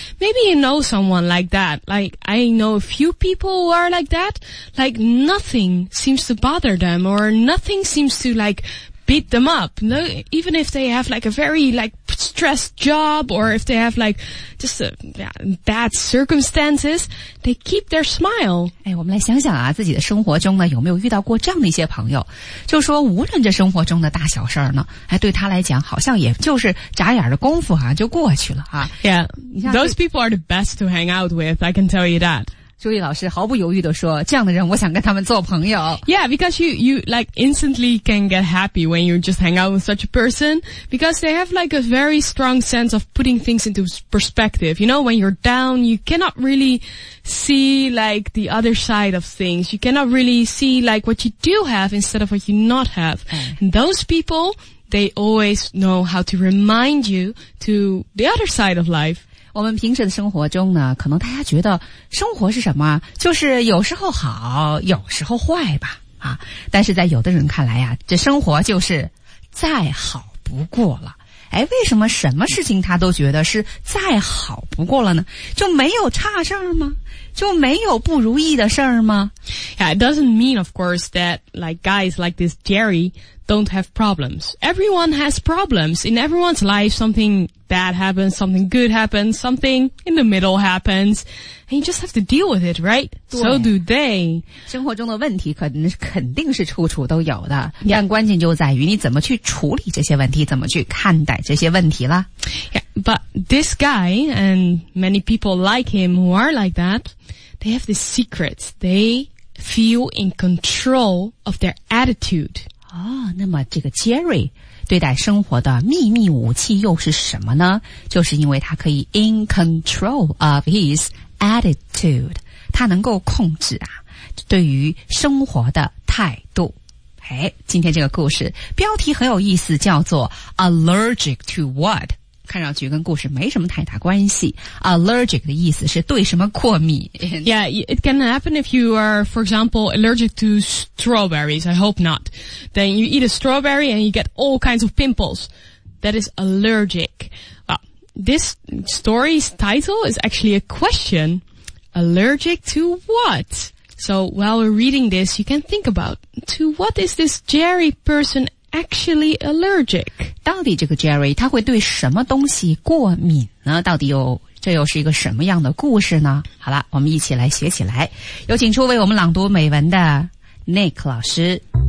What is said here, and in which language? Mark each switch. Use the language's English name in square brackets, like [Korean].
[English] Maybe you know someone like that. Like, I know a few people who are like that. Like, nothing seems to bother them or nothing seems to like beat them up. No, even if they have like a very like stressed job or if they have like just a bad circumstances, they keep their smile. [Chinese] 哎，我们来想想啊，自己的生活中呢有没有遇到过这样的一些朋友，就说无论这生活中的大小事呢，哎，对他来讲好像也就是眨眼的功夫啊就过去了啊。 [English] Yeah, those people are the best to hang out with, I can tell you that. [Chinese] 朱莉老师毫不犹豫地说，这样的人我想跟他们做朋友。 [English] Yeah, because you like instantly can get happy when you just hang out with such a person, because they have like a very strong sense of putting things into perspective. You know, when you're down, you cannot really see like the other side of things. You cannot really see like what you do have instead of what you not have. And those people, they always know how to remind you to the other side of life. [Chinese] 我们平时的生活中呢，可能大家觉得生活是什么，就是有时候好有时候坏吧啊。但是在有的人看来啊，这生活就是再好不过了。哎，为什么什么事情他都觉得是再好不过了呢？就没有差事儿吗？就没有不如意的事儿吗？ [English] Yeah, it doesn't mean of course that like guys like this Jerry don't have problems. Everyone has problems. In everyone's life, something bad happens, something good happens, something in the middle happens. And you just have to deal with it, right? So do they. [Chinese] 生活中的问题肯定是处处都有的。 [English] Yeah. [Chinese] 但关键就在于你怎么去处理这些问题，怎么去看待这些问题了。 [English] Yeah, but this guy and many people like him who are like that, they have this secret. They feel in control of their attitude. [Chinese] 哦，那么这个 Jerry 对待生活的秘密武器又是什么呢？就是因为他可以 [English] in control of his attitude， [Chinese] 他能够控制啊对于生活的态度。哎，今天这个故事标题很有意思，叫做 [English] Allergic to what？ [Chinese] 看上去跟故事没什么太大关系。Allergic 的意思是对什么过敏。 [English] Yeah, it can happen if you are, for example, allergic to strawberries. I hope not. Then you eat a strawberry and you get all kinds of pimples. That is allergic. Well, this story's title is actually a question. Allergic to what? So while we're reading this, you can think about, to what is this Jerry person actually allergic? [Chinese] 到底这个 Jerry 他会对什么东西过敏呢？到底这又是一个什么样的故事呢？好了，我们一起来学起来。有请出为我们朗读美文的 Nick 老师。